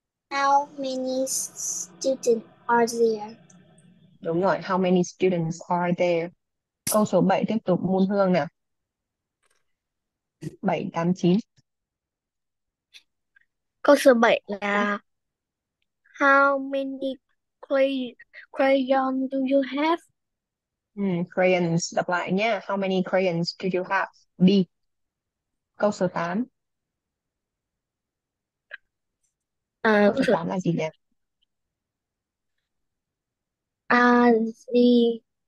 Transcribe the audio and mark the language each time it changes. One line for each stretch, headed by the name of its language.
English: How many students are there?
Vietnamese: đúng rồi,
English: how many students are there?
Vietnamese: Câu số 7 tiếp tục môn hương nè. 7, 8, 9. Câu số 7 là
English: How many crayons do you have?
Vietnamese: Crayons, đọc lại nha.
English: How many crayons do you have?
Vietnamese: B. Câu số 8. Câu số 8 là gì nè? Z